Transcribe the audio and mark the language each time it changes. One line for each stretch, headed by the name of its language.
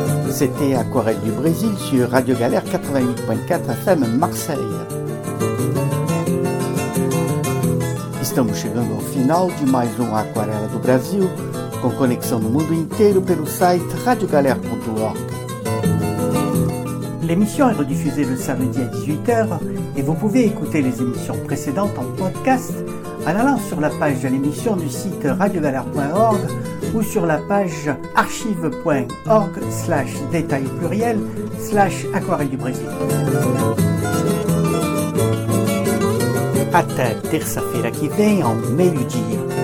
French: C'était Aquarelle du Brésil sur Radio Galère 88.4 FM Marseille.
Portuguese: Estamos chegando ao final de mais Aquarela do Brasil, com conexão no mundo inteiro pelo site radiogalère.org.
French: L'émission est rediffusée le samedi à 18h et vous pouvez écouter les émissions précédentes en podcast en allant sur la page de l'émission du site radiogalère.org ou sur la page archive.org/détail/aquarelle du Brésil.
Portuguese: Até terça-feira que vem, en meio-dia.